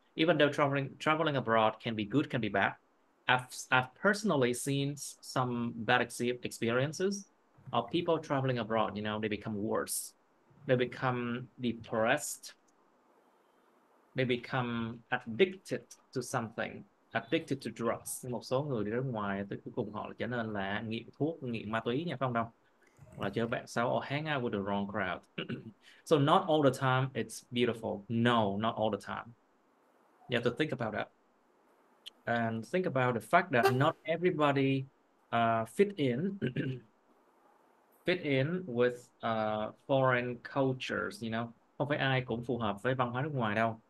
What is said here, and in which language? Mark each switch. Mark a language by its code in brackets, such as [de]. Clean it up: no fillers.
[en] Even though traveling abroad can be good, can be bad, I've personally seen some bad experiences of people traveling abroad. You know, they become worse. They become depressed. They become addicted to something, addicted to drugs. [vi] Một số người đi nước ngoài thì cuối cùng họ trở nên là nghiện thuốc, nghiện ma túy, nha, phải không đâu? Là chơi bạn xấu [en] or hang out with the wrong crowd. So not all the time it's beautiful. No, not all the time. You have to think about that. And think about the fact that not everybody fit in with foreign cultures, you know. [vi] Không phải ai cũng phù hợp với văn hóa nước ngoài đâu.